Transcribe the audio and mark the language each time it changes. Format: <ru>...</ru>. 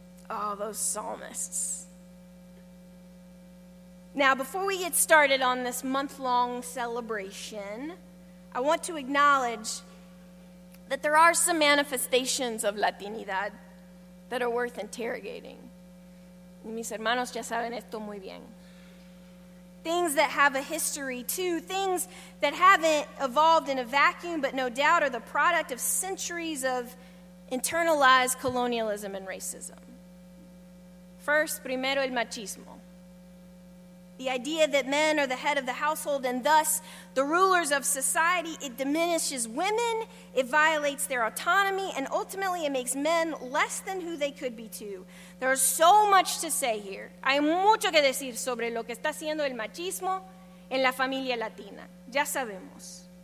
<en>Oh, those psalmists. Now, before we get started on this month-long celebration, I want to acknowledge that there are some manifestations of Latinidad that are worth interrogating.</en> <es>Y mis hermanos ya saben esto muy bien.</es> <en>Things that have a history, too. Things that haven't evolved in a vacuum, but no doubt are the product of centuries of internalized colonialism and racism. First, primero, el machismo. The idea that men are the head of the household and thus the rulers of society, it diminishes women, it violates their autonomy, and ultimately it makes men less than who they could be too. There is so much to say here.</en> <es>Hay mucho que decir sobre lo que está haciendo el machismo en la familia latina. Ya sabemos.</es>